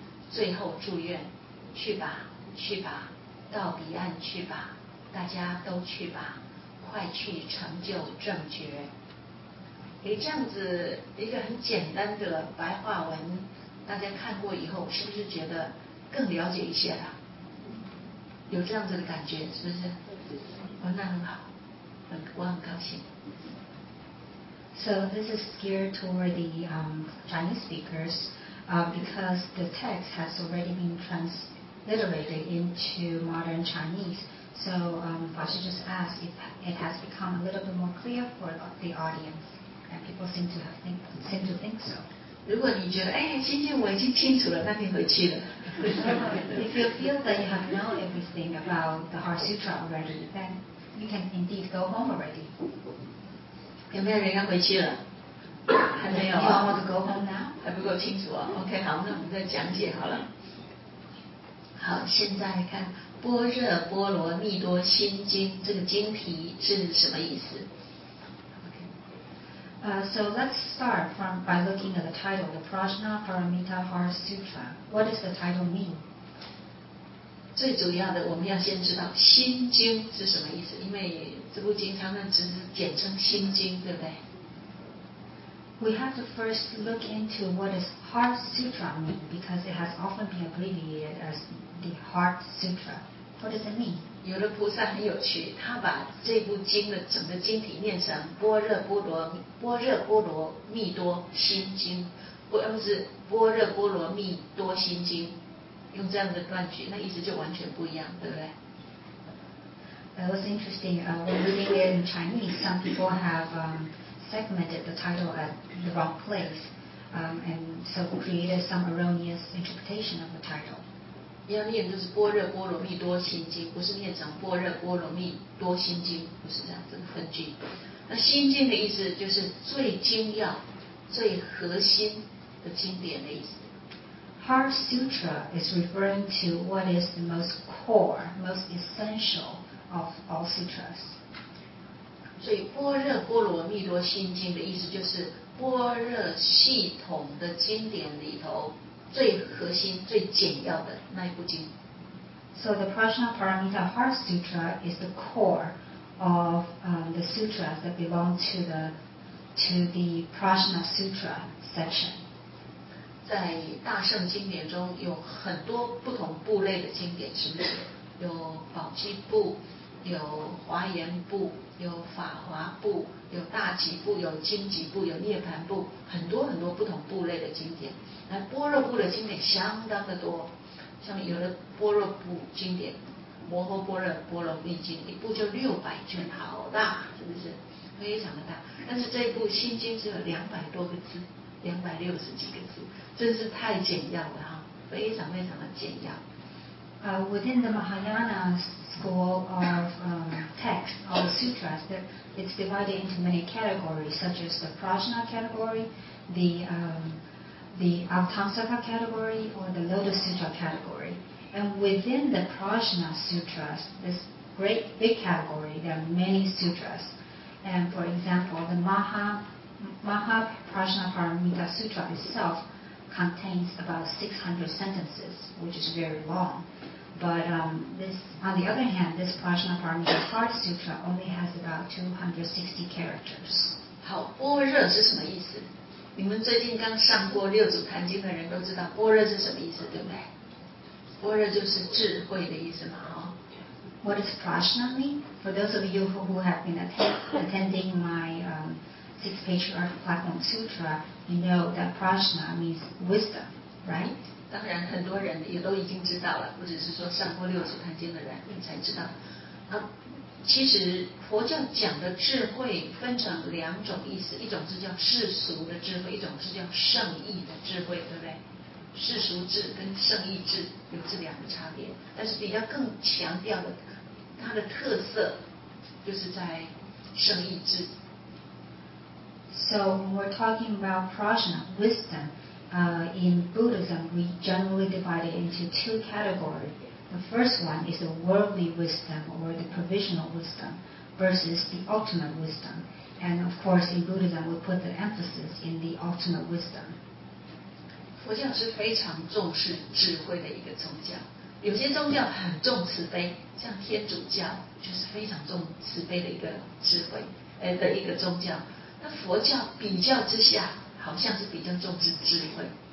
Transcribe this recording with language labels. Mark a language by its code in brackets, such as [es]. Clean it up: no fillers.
[zh] 最后祝愿，去吧，去吧，到彼岸去吧，大家都去吧，快去成就正觉。诶，这样子一个很简单的白话文，大家看过以后是不是觉得更了解一些了？有这样子的感觉是不是？对，那很好，我很高兴。 [en] So this is geared toward the Chinese speakers, because the text has already been transliterated into modern Chinese. So Bashi just asked if it has become a little bit more clear for the audience, and people seem to think so. [zh] 如果你觉得哎，今天我已经清楚了，那你回去了。 [en] If you feel that you have known everything about the Heart Sutra already, then you can indeed go home already. [zh] 有没有人要回去了？还没有。 [en] You want to go home now? [zh] 还不够清楚啊。 OK， 好，那我们再讲解好了。好，现在来看《般若波罗蜜多心经》这个经题是什么意思 [en] ？OK，So let's start from by looking at the title, the Prajna Paramita Heart Sutra. What does the title mean? [zh] 最主要的，我们要先知道《心经》是什么意思，因为。这部经常常只是简称心经，对不对 [en] ？We have to first look into what is Heart Sutra mean, because it has often been abbreviated as the Heart Sutra. What does it mean? [zh] 有的菩萨很有趣，他把这部经的整个经体念成般若波罗蜜多心经，般若波罗蜜多心经，用这样的断句，那意思就完全不一样，对不对？ [en] That was interesting. When reading it in Chinese, some people have segmented the title at the wrong place, and so created some erroneous interpretation of the title. [zh] 要念就是《般若波罗蜜多心经》，不是念成《般若波罗蜜多心经》，不是这样子分句。那《心经》的意思就是最精要、最核心的经典的意思。 [en] Heart Sutra is referring to what is the most core, most essential. Of all sutras. [zh] 所以般若波罗蜜多心经的意思就是般若系统的经典里头最核心最简要的那一部经。 [en] So the Prajna Paramita Heart Sutra is the core of the sutras that belong to the Prajna Sutra section. [zh] 在大乘经典中有很多不同部类的经典，是不是？有宝积部。有华严部，有法华部，有大吉部，有经吉部，有涅槃部，很多很多不同部类的经典。那般若部的经典相当的多，像有的般若部经典《摩诃般若波罗蜜经》，一部就600卷，好大，是不是？非常的大。但是这一部《心经》只有200多个字，260几个字，真是太简要了哈，非常非常的简要。 [en] Within the Mahayana school of text or sutras, it's divided into many categories, such as the Prajna category, the Avatamsaka category, or the Lotus Sutra category. And within the Prajna sutras, this great big category, there are many sutras. And for example, the Maha Prajna Paramita Sutra itself contains about 600 sentences, which is very long. But on the other hand, this Prajna Paramita Heart Sutra only has about 260 characters. [zh] 好，般若是什么意思？你们最近刚上过六祖坛经的人都知道般若是什么意思，对不对？般若就是智慧的意思嘛，哦。 [en] What does Prajna mean? For those of you who have been attending my Six Patriarch Platform Sutra, you know that Prajna means wisdom, right? [zh] 当然很多人也都已经知道了，不只是说上过六祖坛经的人才知道。其实佛教讲的智慧分成两种意思，一种是叫世俗的智慧，一种是叫圣意的智慧，对不对？世俗智跟圣意智有这两个差别，但是比较更强调的它的特色就是在圣意智。 [en] So we're talking about Prajna, wisdom. In Buddhism, we generally divide it into two categories. The first one is the worldly wisdom or the provisional wisdom, versus the ultimate wisdom. And of course, in Buddhism, we put the emphasis in the ultimate wisdom. [zh] 佛教是非常重视智慧的一个宗教。有些宗教很重慈悲，像天主教就是非常重慈悲的一个智慧的一个宗教。那佛教比较之下，好像是比较重视智慧。